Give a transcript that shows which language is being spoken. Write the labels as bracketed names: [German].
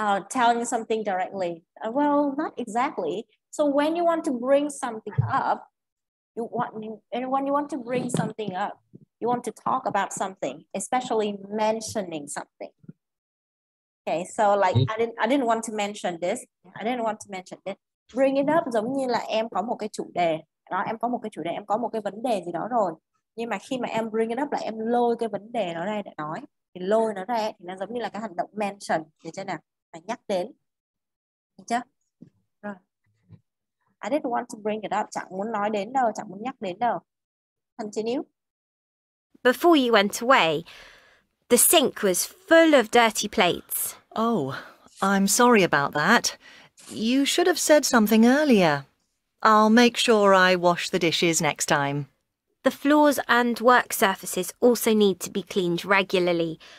[English] Telling something directly. Well, not exactly. So when you want to bring something up, you want to talk about something, especially mentioning something. Okay, so like I didn't want to mention this. I didn't want to mention it. Bring it up [Vietnamese] giống như là em có một cái chủ đề. Đó, em có một cái chủ đề, em có một cái vấn đề gì đó rồi. Nhưng mà khi mà em [English] bring it up [Vietnamese] là em lôi cái vấn đề nó ra để nói. Thì lôi nó ra thì nó giống như là cái hành động mention. Được chưa nào? Phải nhắc đến. Được chưa? Rồi. [English] I didn't want to bring it up. [Vietnamese] Chẳng muốn nói đến đâu, chẳng muốn nhắc đến đâu. [English] Continue. Before you went away, the sink was full of dirty plates. Oh, I'm sorry about that. You should have said something earlier. I'll make sure I wash the dishes next time. The floors and work surfaces also need to be cleaned regularly.